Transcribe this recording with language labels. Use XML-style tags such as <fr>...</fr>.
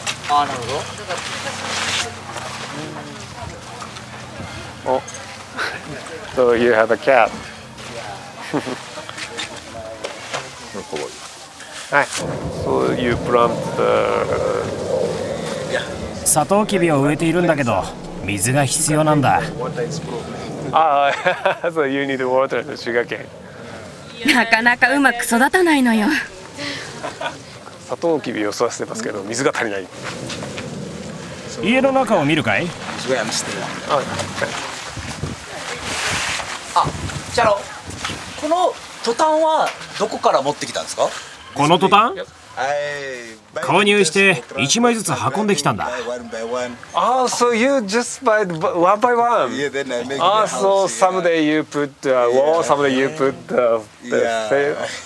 <ja>あ、なるほど。</ja> <en>お、So you have a cat。</en> <ja>かわいい。</ja> <en>はい、So you plant the…</en> <ja>サトウキビを植えているんだけど、水が必要なんだ。</ja> <en>あ、So you need water in sugarcane。</en> <ja>なかなかうまく育たないのよ。サトウキビを育ててますけど、水が足りない。家の中を見るかい。あ、チャロ、このトタンはどこから持ってきたんですか。このトタン購入して1枚ずつ運んできたんだ。</ja> <en>あ、oh, so you just buy one by one。あ、so someday you put the wall, someday you put the thing.</en>